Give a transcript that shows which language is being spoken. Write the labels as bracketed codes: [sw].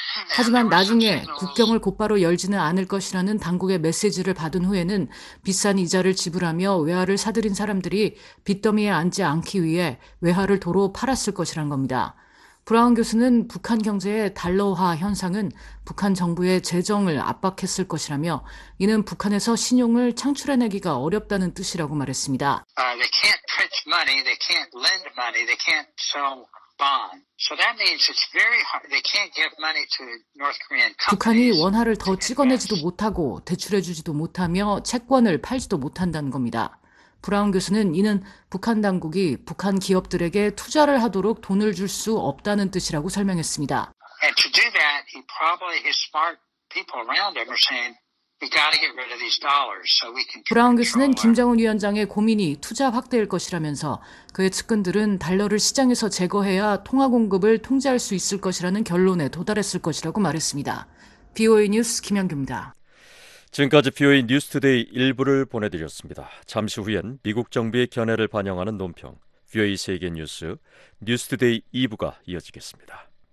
[ko] 하지만 나중에 국경을 곧바로 열지는 않을 것이라는 당국의 메시지를 받은 후에는 비싼 이자를 지불하며 외화를 사들인 사람들이 빚더미에 앉지 않기 위해 외화를 도로 팔았을 것이란 겁니다. 브라운 교수는 북한 경제의 달러화 현상은 북한 정부의 재정을 압박했을 것이라며 이는 북한에서 신용을 창출해내기가 어렵다는 뜻이라고 말했습니다. [en] They can't print money, they can't lend money, they can't sell bonds. So that means it's very hard. They can't give money to North Korean companies. [ko] 북한이 원화를 더 찍어내지도 못하고 대출해주지도 못하며 채권을 팔지도 못한다는 겁니다. 브라운 교수는 이는 북한 당국이 북한 기업들에게 투자를 하도록 돈을 줄 수 없다는 뜻이라고 설명했습니다. [en] And to do that, he probably his smart people around him are saying we got to get rid of these dollars so we can. [ko] 브라운 교수는 김정은 위원장의 고민이 투자 확대일 것이라면서 그의 측근들은 달러를 시장에서 제거해야 통화 공급을 통제할 수 있을 것이라는 결론에 도달했을 것이라고 말했습니다. BOA 뉴스 김영규입니다. 지금까지 BOA 뉴스 투데이 일부를 보내드렸습니다. 잠시 후엔 미국 정부의 견해를 반영하는 논평, BOA 세계 뉴스, 뉴스 투데이 2부가 이어지겠습니다.